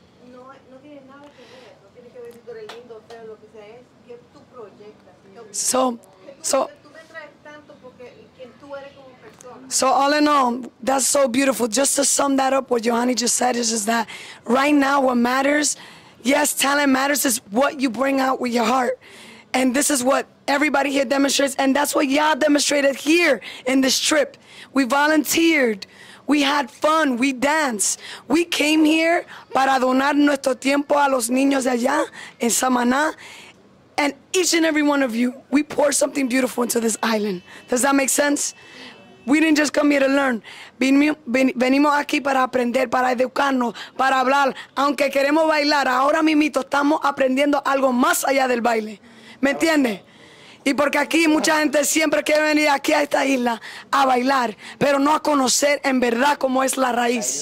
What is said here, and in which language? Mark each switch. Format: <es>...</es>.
<es>No tiene nada que ver, no tiene que ver si tú eres lindo, feo, lo que sea, es que tú proyectas.</es> <en>So all in all, that's so beautiful. Just to sum that up, what Johanny just said is that right now what matters, yes, talent matters, is what you bring out with your heart. And this is what everybody here demonstrates, and that's what y'all demonstrated here in this trip. We volunteered. We had fun. We danced. We came here</en> <es>para donar nuestro tiempo a los niños de allá en Samaná.</es> <en>And each and every one of you, we poured something beautiful into this island. Does that make sense? We didn't just come here to learn.</en> <es>Venimos aquí para aprender, para educarnos, para hablar. Aunque queremos bailar, ahora mismito estamos aprendiendo algo más allá del baile. ¿Me entiendes? Y porque aquí mucha gente siempre quiere venir aquí a esta isla a bailar, pero no a conocer en verdad cómo es la raíz.</es>